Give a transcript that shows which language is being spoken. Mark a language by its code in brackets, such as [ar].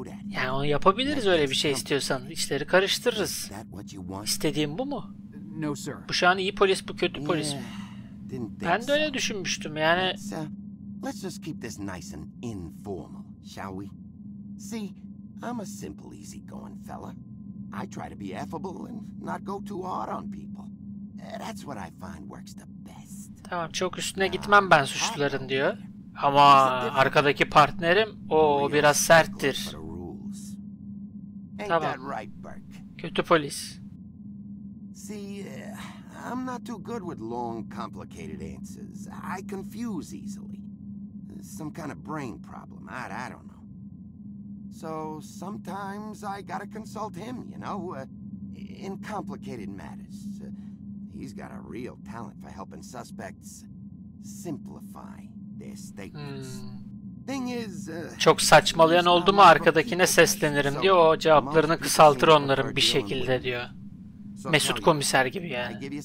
[tr] Yani onu yapabiliriz öyle bir şey istiyorsan. İşleri karıştırırız. İstediğim bu mu? Bu şu an iyi polis, bu kötü polis. Ben de öyle düşünmüştüm yani. [en] Let's just keep this nice and informal, shall we? See, I'm a simple, easygoing fella. I try to be affable and not go too hard on people. That's what I find works the best. [tr] Tamam, çok üstüne gitmem ben suçluların diyor. Ama arkadaki partnerim o biraz serttir. Tamam. Kötü polis. [en] See, I'm not too good with long, complicated answers. I confuse easily. Some kind of brain problem. I don't know. So sometimes I gotta consult him, you know, in complicated matters. He's got a real talent for helping suspects simplify their statements. Thing is, [tr] çok saçmalayan oldu mu arkadakine seslenirim diyor. O cevaplarını kısaltır onların bir şekilde diyor. Mesut komiser gibi yani.